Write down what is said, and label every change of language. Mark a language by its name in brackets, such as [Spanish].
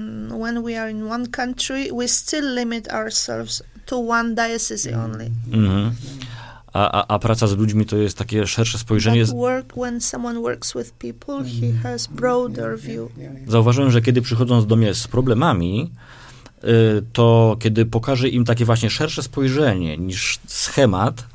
[English] When we are in one country, we still limit ourselves to one diocese only. Mm-hmm. [Polish] A praca z ludźmi to jest takie szersze spojrzenie. [English] Work, when someone works with people, he has broader view. [Polish] Zauważyłem, że kiedy przychodzą do mnie z problemami, to kiedy pokażę im takie właśnie szersze spojrzenie niż schemat.